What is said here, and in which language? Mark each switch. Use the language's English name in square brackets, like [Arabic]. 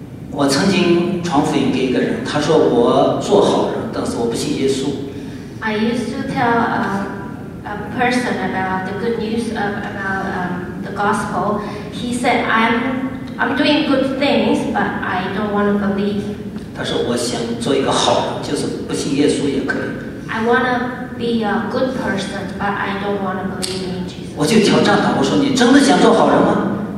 [Chinese] 我曾经传福音给一个人，他说我做好人，但是我不信耶稣。 [English] I used to tell a person about the good news of about the gospel. He said, I'm doing good things, but I don't want to believe. [Chinese] 他说我想做一个好人，就是不信耶稣也可以。 [English] I want to be a good person, but I don't want to believe in Jesus. [Chinese] 我就挑战他，我说你真的想做好人吗？